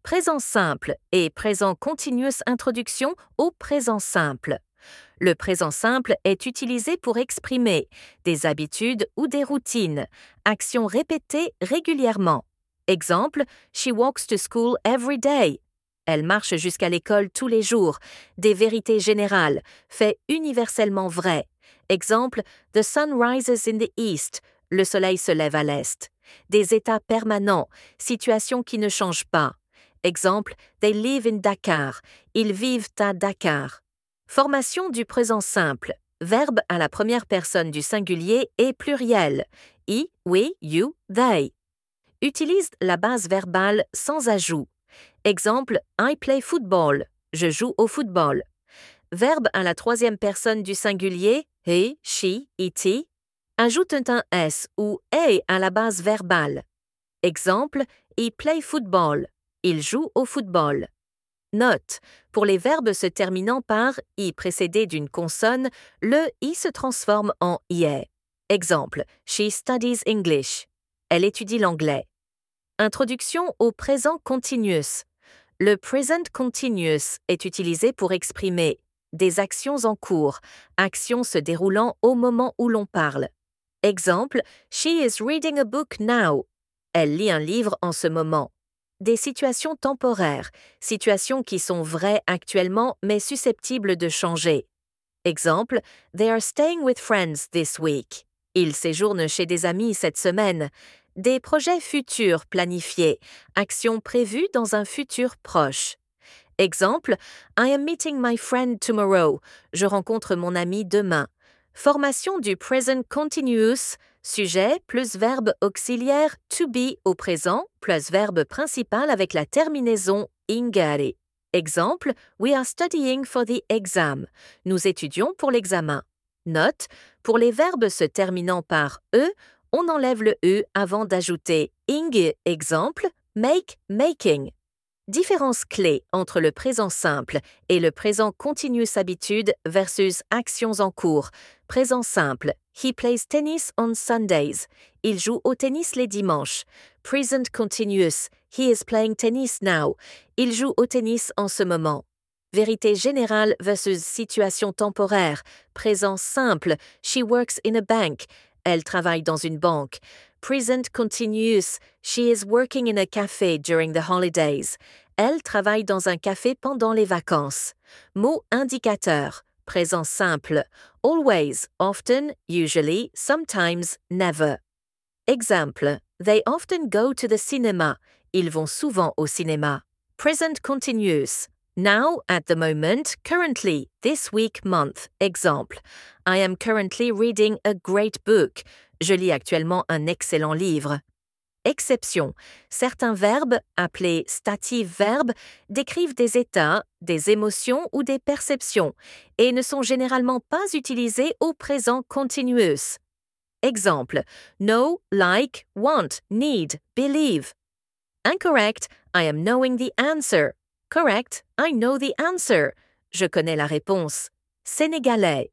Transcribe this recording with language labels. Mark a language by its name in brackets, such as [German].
[French] présent simple et présent continuous introduction au présent simple. Le présent simple est utilisé pour exprimer des habitudes ou des routines, actions répétées régulièrement. [English] Exemple, she walks to school every day. [French] Elle marche jusqu'à l'école tous les jours. Des vérités générales, fait universellement vrai. [English] Exemple, the sun rises in the east. [French] Le soleil se lève à l'est. Des états permanents, situations qui ne changent pas. Exemple, [English] they live in Dakar. [French] Ils vivent à Dakar. Formation du présent simple. Verbe à la première personne du singulier et pluriel. [English] He, we, you, they. [French] Utilise la base verbale sans ajout. [English] Exemple, I play football. [French] Je joue au football. Verbe à la troisième personne du singulier. He, she, it. Ajoute un S ou A à la base verbale. [English] Exemple, he play football. [French] Il joue au football. Note, pour les verbes se terminant par « i » précédé d'une consonne, le « i » se transforme en « ie ». Exemple, « [English] she studies English [French] ». Elle étudie l'anglais. Introduction au présent continuous. Le present continuous est utilisé pour exprimer des actions en cours, actions se déroulant au moment où l'on parle. [English] Exemple, « she is reading a book now ». [French] Elle lit un livre en ce moment. Des situations temporaires, situations qui sont vraies actuellement mais susceptibles de changer. [English] Exemple, they are staying with friends this week. [French] Ils séjournent chez des amis cette semaine. Des projets futurs planifiés, actions prévues dans un futur proche. [English] Exemple, I am meeting my friend tomorrow. [French] Je rencontre mon ami demain. Formation du present continuous. Sujet plus verbe auxiliaire to be au présent plus verbe principal avec la terminaison ingare. [English] Exemple, we are studying for the exam. [French] Nous étudions pour l'examen. Note, pour les verbes se terminant par e, on enlève le e avant d'ajouter ing. Exemple, make, making. Différence clé entre le présent simple et le présent continuous habitude versus actions en cours. Présent simple. [English] He plays tennis on Sundays. [French] Il joue au tennis les dimanches. Present continuous. [English] He is playing tennis now. [French] Il joue au tennis en ce moment. Vérité générale versus situation temporaire. Présent simple. [English] She works in a bank. [French] Elle travaille dans une banque. Present continuous. [English] She is working in a cafe during the holidays. [French] Elle travaille dans un café pendant les vacances. Mot indicateur. Présent simple. [English] Always, often, usually, sometimes, never. Exemple. They often go to the cinema. [French] Ils vont souvent au cinéma. Present continuous. [English] Now, at the moment, currently, this week, month. Exemple. I am currently reading a great book. [French] Je lis actuellement un excellent livre. Exception. Certains verbes, appelés statifs verbes, décrivent des états, des émotions ou des perceptions et ne sont généralement pas utilisés au présent continuous. Exemple. [English] Know, like, want, need, believe. Incorrect. I am knowing the answer. [French] Correct. [English] I know the answer. [French] Je connais la réponse. Sénégalais.